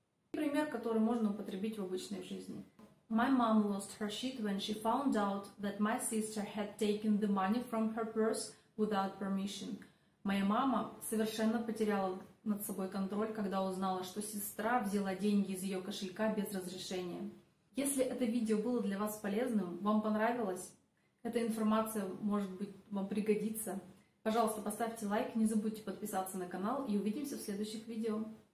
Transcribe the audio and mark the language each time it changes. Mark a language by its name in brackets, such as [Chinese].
[Russian] Пример, который можно употребить в обычной жизни. [English] My mom lost her shit when she found out that my sister had taken the money from her purse without permission. [Russian] Моя мама совершенно потеряла над собой контроль, когда узнала, что сестра взяла деньги из ее кошелька без разрешения. Если это видео было для вас полезным, вам понравилось, эта информация, может быть, вам пригодится. Пожалуйста, поставьте лайк, не забудьте подписаться на канал и увидимся в следующих видео.